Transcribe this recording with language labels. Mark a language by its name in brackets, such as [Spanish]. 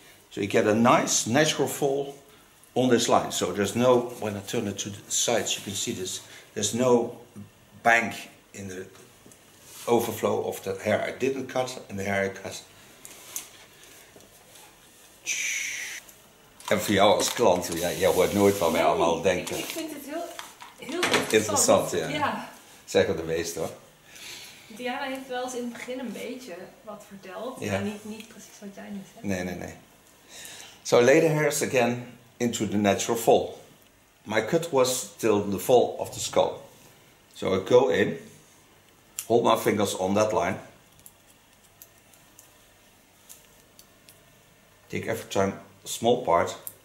[English] So you get a nice natural fall on this line. So there's no, when I turn it to the sides, you can see this, there's no bank in the overflow of the hair I didn't cut and the hair I cut. [Dutch] En voor jou als klant, ja, jij hoort nooit van mij allemaal denken. Ik vind het heel interessant. Interessant, ja. Zeggen de meesten hoor. Diana heeft wel eens in het begin een beetje wat verteld, maar niet precies wat jij nu zegt. Nee. [English] So I lay the hairs again into the natural fall. My cut was till the fall of the skull. So I go in, hold my fingers on that line. Take every time a small part.